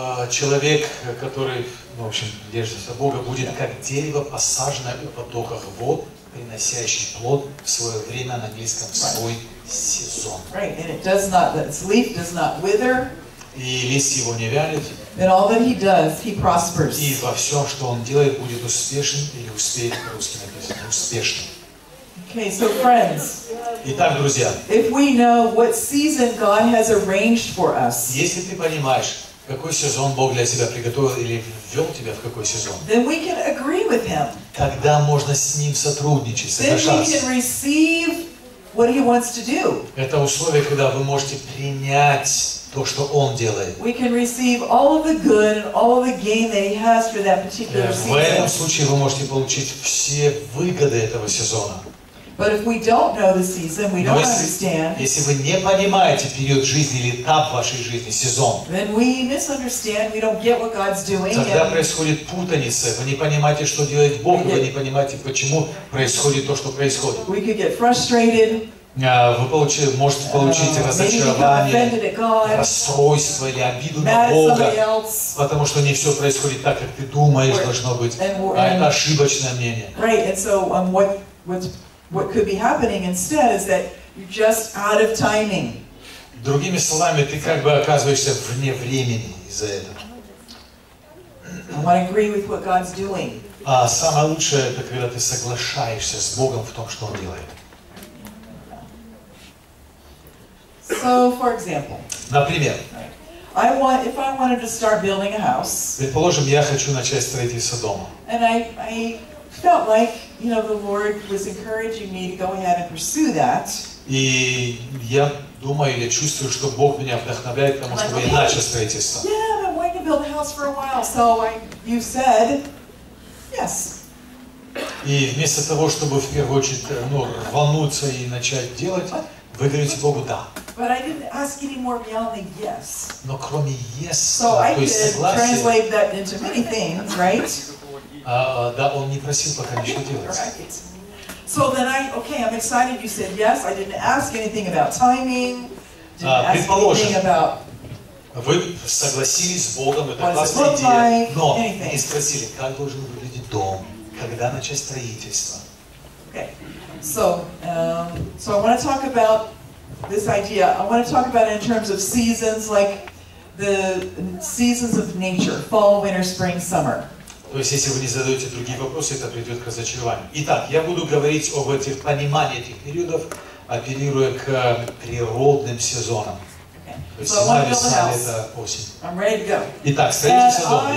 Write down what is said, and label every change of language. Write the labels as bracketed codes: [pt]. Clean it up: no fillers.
[ru] Человек, который, в общем, держится за Бога, будет как дерево, посаженное у потоков вод, приносящий плод в свое время, на английском, в свой сезон. [en] Right, and it does not, its leaf does not wither. [ru] И листья его не вялят. [en] And all that he does, he prospers. [ru] И во всем, что он делает, будет успешен или успеет, по-русски написано, успешным. [en] Okay, so friends. [ru] Итак, друзья. [en] If we know what season God has arranged for us. [ru] Если ты понимаешь, какой сезон Бог для тебя приготовил или ввел тебя в какой сезон? [en] Then we can agree with him. [ru] Когда можно с ним сотрудничать, соглашаться? [en] Then we can receive what he wants to do. [ru] Это условие, когда вы можете принять то, что он делает. [en] We can receive all of the good and all of the gain that he has for that particular season. [ru] В этом случае вы можете получить все выгоды этого сезона. [en] But if we don't know the season, we don't understand. [ru] Если вы не понимаете период жизни или этап вашей жизни, сезон. [en] Then we misunderstand. We don't get what God's doing. [ru] Тогда происходит путаница. Вы не понимаете, что делает Бог, и вы не понимаете, почему происходит то, что происходит. [en] We could get frustrated. [ru] Вы можете получить разочарование, расстройство или обиду на Бога, потому что не все происходит так, как ты думаешь, должно быть. А это ошибочное мнение. [en] Right, and so what could be happening instead is that you're just out of timing. [ru] Другими словами, ты как бы оказываешься вне времени из-за этого. [en] I want to agree with what God's doing. [ru] А самое лучшее, это когда ты соглашаешься с Богом в том, что Он делает. [en] So, for example. [ru] Например. [en] If I wanted to start building a house. [ru] Предположим, я хочу начать строительство дома. [en] And I felt like, you know, the Lord was encouraging me to go ahead and pursue that. [ru] И я думаю или чувствую, что Бог меня вдохновляет, потому что я начал строительство. [en] Yeah, I've been wanting to build a house for a while, so you said yes. [ru] И вместо того, чтобы в первую очередь, ну, рвануться и начать делать, вы говорите Богу да. [en] But I didn't ask any more beyond the yes. [ru] Но кроме yes, [en] so I did translate that into many things, right? [ru] Да, он не просил пока ничего делать. [en] Right. So then I'm excited. You said yes. I didn't ask anything about timing. Didn't ask anything about. [ru] Вы согласились с Богом, это классная идея. Но не спросили, как должен выглядеть дом, когда начать строительство. [en] Okay. So I want to talk about this idea. I want to talk about it in terms of seasons, like the seasons of nature: fall, winter, spring, summer. [ru] То есть, если вы не задаете другие вопросы, это приведет к разочарованию. Итак, я буду говорить об этих понимании этих периодов, апеллируя к природным сезонам. [en] Okay. So [ru] зима, весна, лето, осень. [en] I'm ready to go. [ru] Итак, строительный сезон.